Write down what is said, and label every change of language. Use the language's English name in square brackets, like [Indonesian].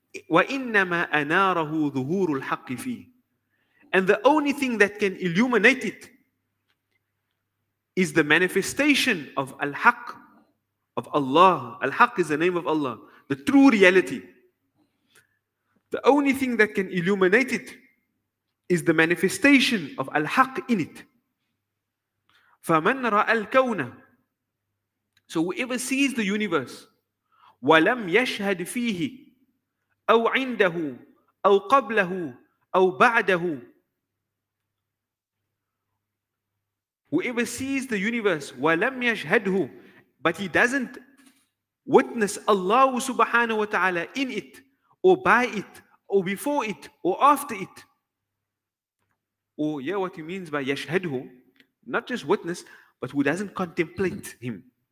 [Arabic] وَإِنَّمَا أَنَارَهُ ظُهُورُ الْحَقِّ فِيهِ [English] And the only thing that can illuminate it is the manifestation of Al-Haq, of Allah. Al-Haq is the name of Allah, the true reality. The only thing that can illuminate it is the manifestation of Al-Haq in it. [Arabic] فَمَنْ رَأَى الْكَوْنَ [English] So whoever sees the universe, [Arabic] وَلَمْ يَشْهَدْ فِيهِ أَوْ عِنْدَهُ أَوْ قَبْلَهُ أَوْ بَعْدَهُ [English] Whoever sees the universe, [Arabic] وَلَمْ يَشْهَدْهُ [English] but he doesn't witness Allah subhanahu wa ta'ala in it, or by it, or before it, or after it. Or yeah, what he means by yashhadhu, not just witness, but who doesn't contemplate him.